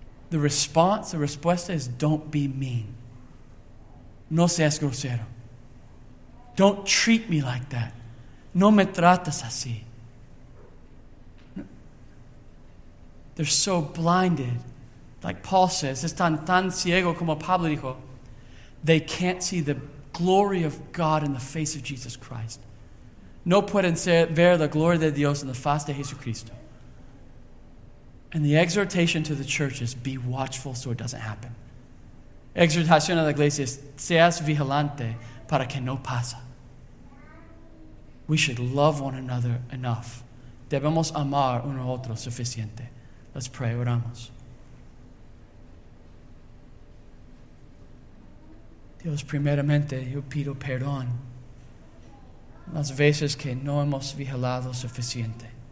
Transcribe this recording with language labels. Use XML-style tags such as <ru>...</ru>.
<en>The response, the respuesta is, don't be mean.</en> <es>No seas grosero.</es> <en>Don't treat me like that.</en> <es>No me tratas así.</es> <en>They're so blinded. Like Paul says,</en> <es>están tan ciego como Pablo dijo.</es> <en>They can't see the glory of God in the face of Jesus Christ.</en> <es>No pueden ver la gloria de Dios en la faz de Jesucristo.</es> <en>And the exhortation to the church is, be watchful so it doesn't happen.</en> <es>Exhortación a la iglesia es, seas vigilante para que no pasa.</es> <en>We should love one another enough.</en> <es>Debemos amar uno a otro suficiente.</es> <en>Let's pray.</en> <es>Oramos. Dios, primeramente, yo pido perdón las veces que no hemos vigilado suficiente.</es>